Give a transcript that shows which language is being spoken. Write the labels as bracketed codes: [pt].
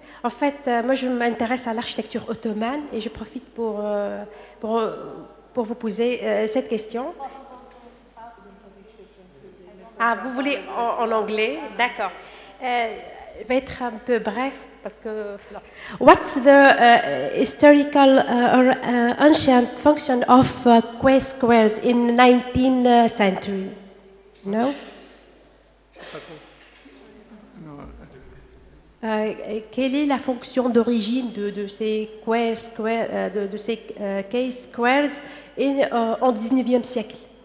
[fr] En fait, moi, je m'intéresse à l'architecture ottomane et je profite pour vous poser cette question. Ah, vous voulez en anglais? D'accord. Je vais être un peu bref parce que... [en] What's the historical or ancient function of K-Squares in the 19th century? No? [fr] Quelle est la fonction d'origine de ces K-Squares en 19e siècle?